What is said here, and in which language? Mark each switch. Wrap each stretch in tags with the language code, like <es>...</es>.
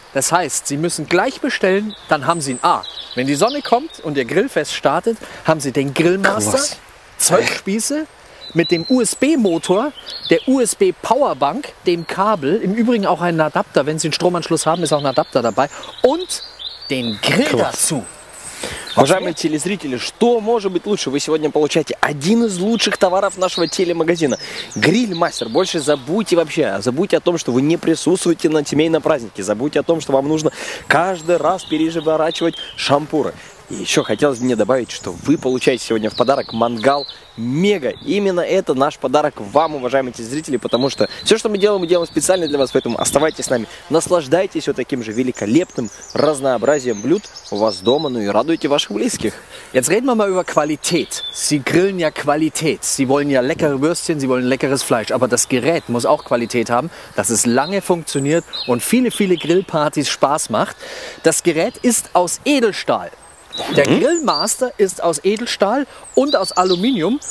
<de>Das heißt, Sie müssen gleich bestellen, dann haben Sie ihn. Wenn die Sonne kommt und Ihr Grillfest startet, haben Sie den Grillmaster, Zeugspieße, mit dem USB-Motor, der USB-Powerbank, dem Kabel, im Übrigen auch einen Adapter, wenn Sie einen Stromanschluss haben, ist auch ein Adapter dabei, und den Grill dazu.</de> <ru>Уважаемые телезрители, что может быть лучше? Вы сегодня получаете один из лучших товаров нашего телемагазина. Грильмастер. Больше забудьте вообще. Забудьте о том, что вы не присутствуете на семейном празднике. Забудьте о том, что вам нужно каждый раз переворачивать шампуры. И еще хотелось бы мне добавить, что вы получаете сегодня в подарок мангал Мега. Именно это наш подарок вам, уважаемые телезрители, потому что все, что мы делаем специально для вас. Поэтому оставайтесь с нами. Наслаждайтесь вот таким же великолепным разнообразием блюд у вас дома. Ну и радуйте ваших близких.</ru> <de>Jetzt reden wir mal über Qualität. Sie grillen ja Qualität. Sie wollen ja leckere Würstchen, Sie wollen leckeres Fleisch. Aber das Gerät muss auch Qualität haben, dass es lange funktioniert und viele, viele Grillpartys Spaß macht. Das Gerät ist aus Edelstahl. Der Grillmaster ist aus Edelstahl und aus Aluminium.</de>